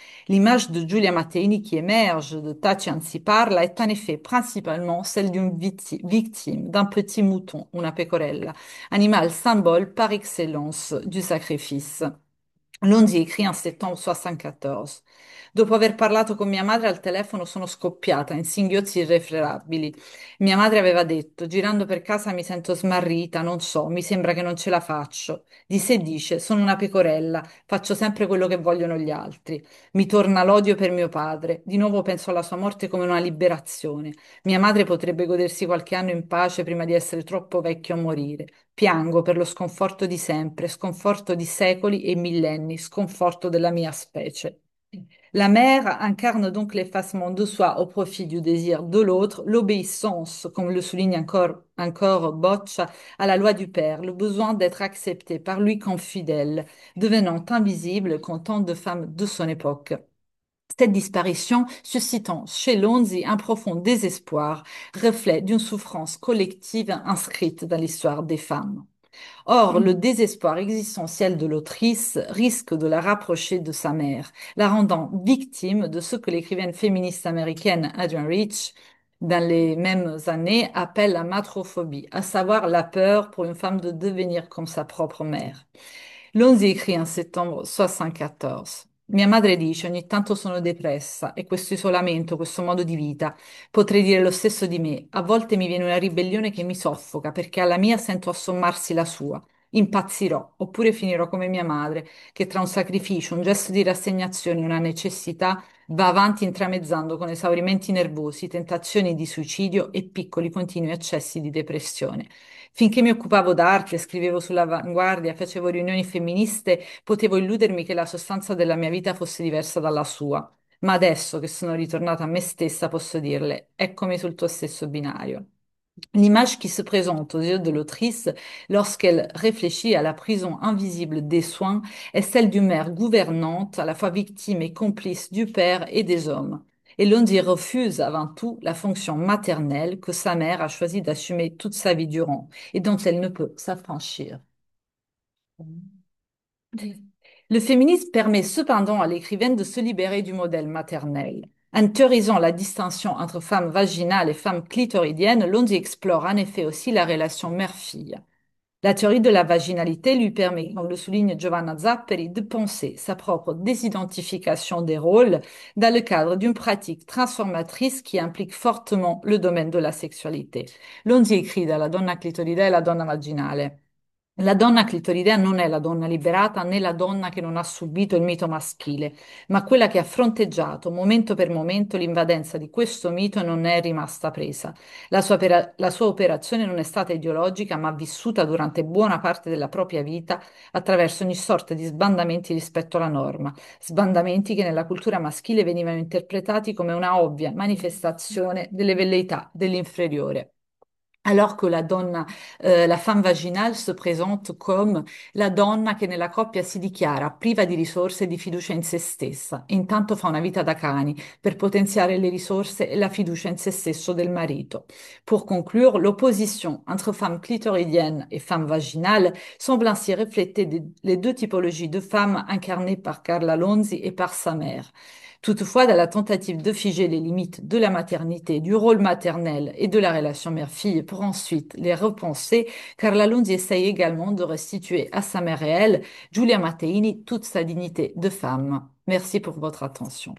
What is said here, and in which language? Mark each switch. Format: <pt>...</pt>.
<fr>L'image de Giulia Mattei qui émerge,</fr> <it>de Tacci si parla,</it> <fr>est en effet principalement celle d'une victime, d'un petit mouton,</fr> <it>una pecorella,</it> <fr>animal symbole par excellence du sacrifice. Lonzi écrit en septembre 1974.</fr> <it>Dopo aver parlato con mia madre al telefono sono scoppiata in singhiozzi irrefrenabili. Mia madre aveva detto: girando per casa mi sento smarrita, non so, mi sembra che non ce la faccio. Di sé dice: sono una pecorella, faccio sempre quello che vogliono gli altri. Mi torna l'odio per mio padre, di nuovo penso alla sua morte come una liberazione. Mia madre potrebbe godersi qualche anno in pace prima di essere troppo vecchia a morire. Piango per lo sconforto di sempre, sconforto di secoli e millenni, sconforto della mia specie.</it> <fr>La mère incarne donc l'effacement de soi au profit du désir de l'autre, l'obéissance, comme le souligne encore Boccia, à la loi du père, le besoin d'être accepté par lui comme fidèle, devenant invisible comme tant de femmes de son époque. Cette disparition, suscitant chez Lonzi un profond désespoir, reflet d'une souffrance collective inscrite dans l'histoire des femmes. Or, le désespoir existentiel de l'autrice risque de la rapprocher de sa mère, la rendant victime de ce que l'écrivaine féministe américaine Adrienne Rich, dans les mêmes années, appelle la matrophobie, à savoir la peur pour une femme de devenir comme sa propre mère. Lonzi écrit en septembre 1974.</fr> <it>Mia madre dice ogni tanto sono depressa e questo isolamento, questo modo di vita, potrei dire lo stesso di me. A volte mi viene una ribellione che mi soffoca perché alla mia sento assommarsi la sua. Impazzirò oppure finirò come mia madre che tra un sacrificio, un gesto di rassegnazione, una necessità va avanti intramezzando con esaurimenti nervosi, tentazioni di suicidio e piccoli continui accessi di depressione. Finché mi occupavo d'arte, scrivevo sull'avanguardia, facevo riunioni femministe, potevo illudermi che la sostanza della mia vita fosse diversa dalla sua. Ma adesso che sono ritornata a me stessa, posso dirle: eccomi sul tuo stesso binario.</it> <fr>L'image qui se présente aux yeux de l'autrice lorsqu'elle réfléchit à la prison invisible des soins est celle d'une mère gouvernante, à la fois victime et complice du père et des hommes. Et Lundy refuse avant tout la fonction maternelle que sa mère a choisi d'assumer toute sa vie durant et dont elle ne peut s'affranchir. Le féminisme permet cependant à l'écrivaine de se libérer du modèle maternel. En théorisant la distinction entre femmes vaginales et femmes clitoridiennes, Lundy explore en effet aussi la relation mère-fille. La théorie de la vaginalité lui permet, comme le souligne Giovanna Zappeli, de penser sa propre désidentification des rôles dans le cadre d'une pratique transformatrice qui implique fortement le domaine de la sexualité. Lundy écrit dans La donna clitoridea et la donna vaginale.</fr> <it>La donna clitoridea non è la donna liberata né la donna che non ha subito il mito maschile, ma quella che ha fronteggiato momento per momento l'invadenza di questo mito e non è rimasta presa. La sua operazione non è stata ideologica, ma vissuta durante buona parte della propria vita attraverso ogni sorta di sbandamenti rispetto alla norma, sbandamenti che nella cultura maschile venivano interpretati come una ovvia manifestazione delle velleità dell'inferiore.</it> <fr>Alors que la donna, la femme vaginale se présente comme</fr> <it>la donna che nella coppia si dichiara priva di risorse e di fiducia in se stessa, e intanto fa una vita da cani per potenziare le risorse e la fiducia in se stesso del marito.</it> <fr>Pour conclure, l'opposition entre femme clitoridienne et femme vaginale semble ainsi refléter les deux typologies de femmes incarnées par Carla Lonzi et par sa mère. Toutefois, dans la tentative de figer les limites de la maternité, du rôle maternel et de la relation mère-fille pour ensuite les repenser, Carla Lunzi essaye également de restituer à sa mère réelle, Giulia Matteini, toute sa dignité de femme. Merci pour votre attention.</fr>